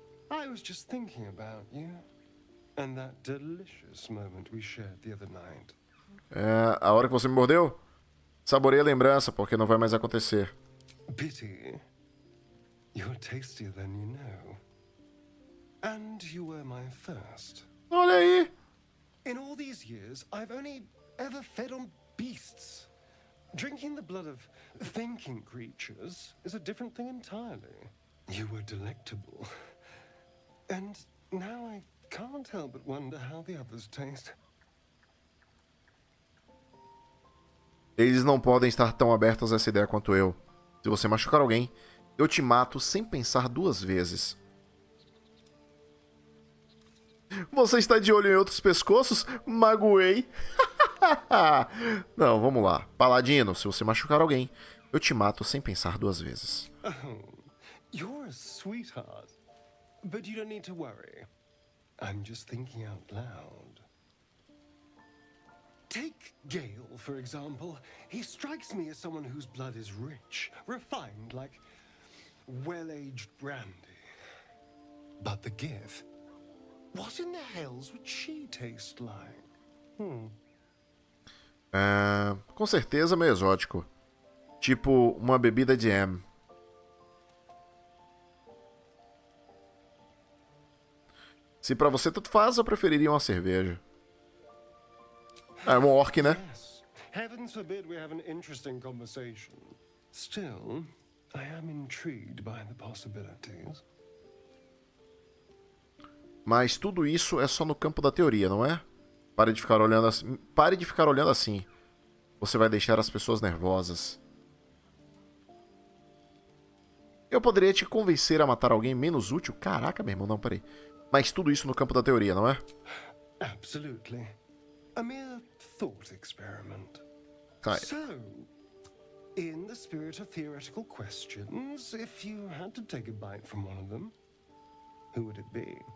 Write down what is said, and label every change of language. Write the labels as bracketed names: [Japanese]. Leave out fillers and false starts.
[English] I was just thinking about you and that delicious moment we shared the other night. [Portuguese] É, a hora que você me mordeu? Saborei a lembrança, porque não vai mais acontecer. [English] Pity. You're tastier than you know. And you were my first. [Portuguese] Olha aí! [English] In all these years, I've only ever fed on beasts. Drinking the blood of thinking creatures is a different thing entirely. You were delectable. And now I can't help but wonder how the others taste. [Portuguese] Eles não podem estar tão abertos a essa ideia quanto eu. Se você machucar alguém, eu te mato sem pensar duas vezes. Você está de olho em outros pescoços? Magoei. Não, vamos lá. Paladino, se você machucar alguém, eu te mato sem pensar duas vezes. [English] Oh, you're a sweetheart. But you don't need to worry. I'm just thinking out loud. Take Gale, for example. He strikes me as someone whose blood is rich, refined, like well-aged brandy. But the Gith, what in the hells would she taste like? [Portuguese] Com certeza meio exótico. Tipo uma bebida de M. Se pra você tanto faz, eu preferiria uma cerveja. É um orc, né? [English] Heavens forbid we have an interesting conversation. Still, I am intrigued by the possibilities. [Portuguese] Mas tudo isso é só no campo da teoria, não é? Pare de ficar olhando assim. Pare de ficar olhando assim. Você vai deixar as pessoas nervosas. Eu poderia te convencer a matar alguém menos útil? Caraca, meu irmão, não, peraí. Mas tudo isso no campo da teoria, não é? [English] Absolutely. A mere thought experiment. Right. So, in the spirit of theoretical questions, if you had to take a bite from one of them, who would it be?